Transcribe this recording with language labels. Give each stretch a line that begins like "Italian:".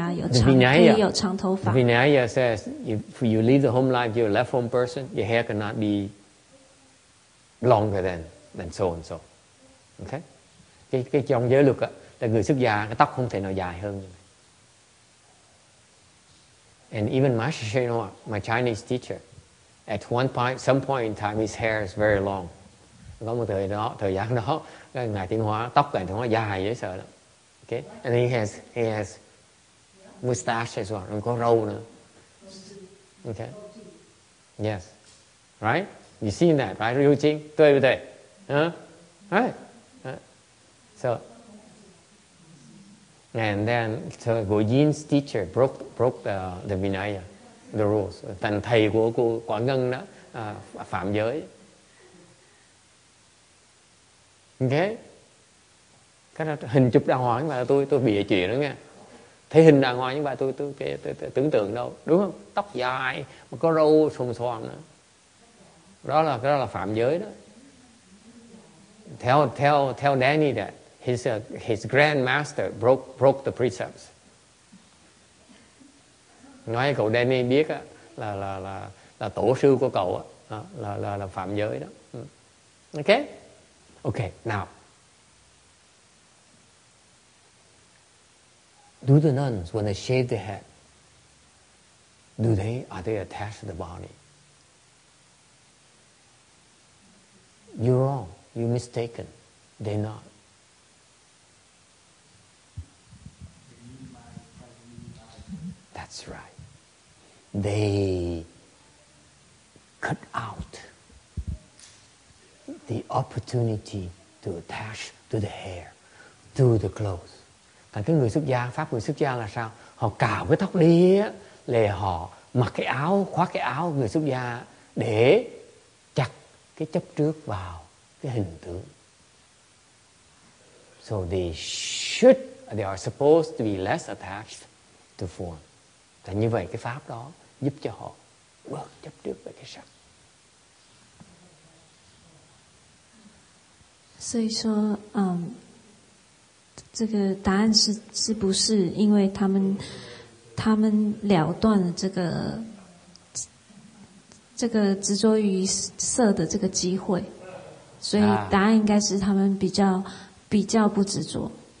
English: Vinaya says, if you leave the home life, you're a left home person, your hair cannot be longer than so and so. Okay?
Vietnamese: Cái trong giới luật là người xuất gia, cái tóc không thể nào dài hơn.
English: And even Master Shenhua, my Chinese teacher, at some point in time, his hair is very long.
Vietnamese: Có một thời gian đó, ngài Tiến Hóa, tóc ngài Tiến Hóa dài dễ sợ lắm.
English: Okay. And he has mustache as well.
Vietnamese: Có râu nữa.
English: Okay. Yes. Right? You seen that, right? Ryu Jing?
Vietnamese: Đúng không?
English: Right? So. And then, so Guyin's teacher broke the Vinaya, the rules.
Vietnamese: Thành thầy của Quảng Ngân đó, phạm giới.
English: Okay.
Vietnamese: Hình chụp đàng hoàng như vậy tôi bịa chuyện đó nghe. Thấy hình đàng hoàng như vậy tôi tưởng tượng đâu, đúng không? Tóc dài mà có râu xồm xoàm nữa. Đó là phạm giới đó.
English: Tell Danny that his grandmaster broke the precepts.
Vietnamese: Nói cậu Danny biết á là tổ sư của cậu á là phạm giới đó.
English: Okay, now. Do the nuns, when they shave their head, are they attached to the body? You're wrong. You're mistaken. They're not. That's right. They cut out the opportunity to attach to the hair, to the clothes.
Vietnamese: Còn cái người xuất gia, pháp người xuất gia là sao? Họ cạo cái tóc đi á, là họ mặc cái áo, khoác cái áo người xuất gia để chặt cái chấp trước vào cái hình tướng.
English: So they should they are supposed to be less attached to form.
Vietnamese: Thì như vậy cái pháp đó giúp cho họ bớt chấp trước về cái sắc.
Chinese: 所以说, 这个答案是不是因为他们了断了这个执着于色的这个机会，所以答案应该是他们比较不执着。